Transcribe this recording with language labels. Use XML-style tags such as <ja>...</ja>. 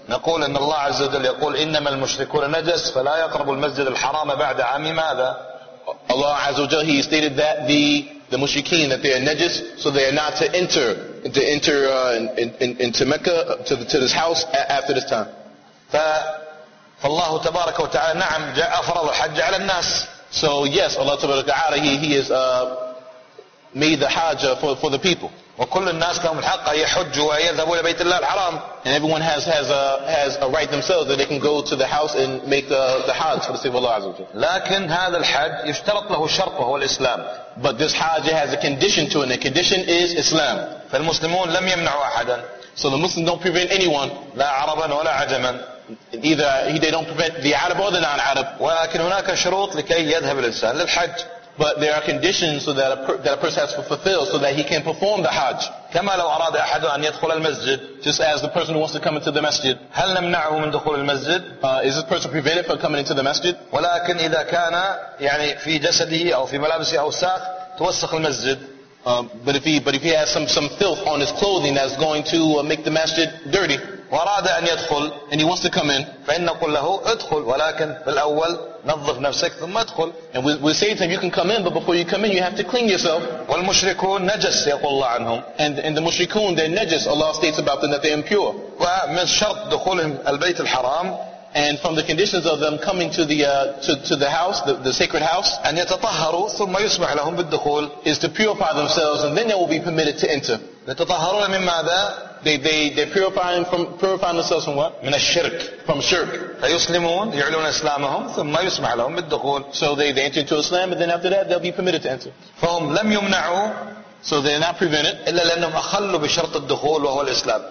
<ar>نقول إن الله عز وجل يقول إنما المشركون نجس فلا يقربوا المسجد الحرام بعد عام ماذا؟</ar> <en>Allah</en> <ar>عز وجل</ar> <en>he stated that the mushrikeen that they are najis so they are not to enter into Mecca to this house after this time.</en> <ar>فالله تبارك وتعالى نعم جاء فرض الحج على الناس.</ar> <en>So yes, Allah Ta'ala, He has made the Hajj for the people.</en> <ar>وكل الناس لهم الحق يحجوا ويذهبوا إلى بيت الله الحرام.</ar> <en>And everyone has a right themselves that they can go to the house and make the Hajj for the sake of Allah Azza wa Jalla.</en> <ar>لكن هذا الحج يشترط له شرط وهو الإسلام.</ar> <en>But this Hajj has a condition to it. The condition is Islam.</en> <ar>فالمسلمون لم يمنعوا أحدا.</ar> <en>So the Muslims don't prevent anyone.</en> <ar>لا عربا ولا عجما.</ar> <en>Either they don't prevent the Arab or the non-Arab.</en> <ar>ولكن هناك شروط لكي يذهب الإنسان للحج.</ar> <en>But there are conditions so that a person has to fulfill so that he can perform the Hajj.</en> <ar>كما لو أراد أحد أن يدخل المسجد.</ar> <en>Just as the person who wants to come into the masjid.</en> <ar>هل نمنعه من دخول المسجد?</ar> <en>Is this person prevented from coming into the masjid?</en> <ar>ولكن إذا كان يعني في جسده أو في ملابسه أوساخ توسخ المسجد.</ar> <en>But if he has some filth on his clothing that's going to make the masjid dirty.</en> <ar>وأراد أن يدخل</ar> <en>and he wants to come in</en> <ar>فإن نقول له ادخل ولكن بالأول نظف نفسك ثم ادخل</ar> <en>and we say to him you can come in but before you come in you have to clean yourself</en> <ar>والمشركون نجس يقول الله عنهم</ar> <en>and the mushrikun they're najis Allah states about them that they're impure</en> <ar>ومن شرط دخولهم البيت الحرام</ar> <en>and from the conditions of them coming to the house the sacred house</en> <ar>أن يتطهروا ثم يسمح لهم بالدخول</ar> <en>is to purify themselves and then they will be permitted to enter</en> <ar>يتطهرون من ماذا</ar> <en>They purifying themselves from what?</en> <ar>من الشرك.</ar> <en>From shirk.</en> <ar>فيسلمون يعلون إسلامهم ثم يسمح لهم بالدخول.</ar> <en>So they enter into Islam and then after that they'll be permitted to enter.</en> <ar>فهم لم يمنعوا.</ar> <en>So they're not prevented.</en> <ar>إلا لأنهم أخلوا بشرط الدخول وهو الإسلام.</ar>